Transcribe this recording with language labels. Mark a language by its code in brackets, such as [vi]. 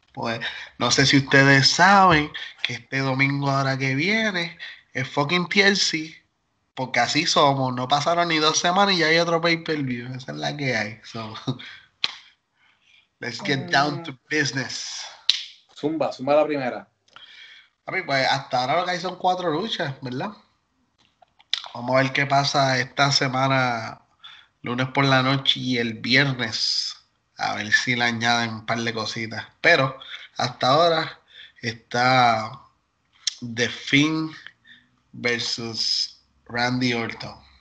[es] Pues no sé si ustedes saben que este domingo ahora que viene es fucking TLC, porque así somos, no pasaron ni 2 semanas y ya hay otro pay-per-view, esa es la que hay. [en] So, let's get down to business. [es] Zumba la primera. A mí, pues hasta ahora lo que hay son 4 luchas, ¿verdad? Vamos a ver qué pasa esta semana, lunes por la noche y el viernes. A ver si le añaden un par de cositas. Pero hasta ahora está The Fiend versus Randy Orton.